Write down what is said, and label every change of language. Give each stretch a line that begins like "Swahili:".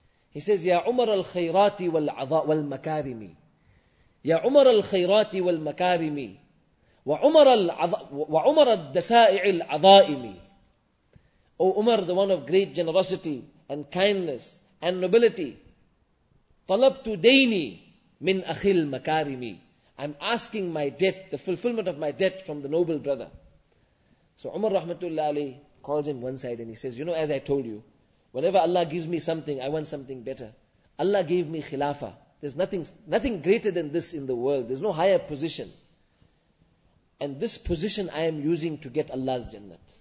Arabic: He says, Ya Umar al-Khayrati wal-Makarimi. Ya Umar al-Khayrati wal-Makarimi. وعمر الدسائع العظائم.
English: O Umar, the one of great generosity and kindness and nobility.
Arabic: طلبت ديني من أخي المكارم.
English: I'm asking my debt, the fulfillment of my debt from the noble brother. So Umar rahmatullah alayh calls him one side and he says, you know, as I told you, whenever Allah gives me something, I want something better. Allah gave me khilafah. There's nothing greater than this in the world. There's no higher position. And this position I am using to get Allah's Jannat.